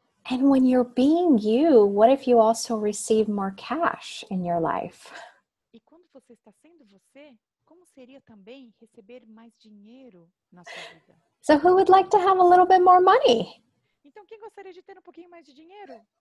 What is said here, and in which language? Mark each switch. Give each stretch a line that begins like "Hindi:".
English: And when you're being you, what if you also receive more cash in your life?
Portuguese: E quando você está sendo você, como seria também receber mais dinheiro na sua vida?
English: So who would like to have a little bit more money?
Portuguese: Então quem gostaria de ter um pouquinho mais de dinheiro?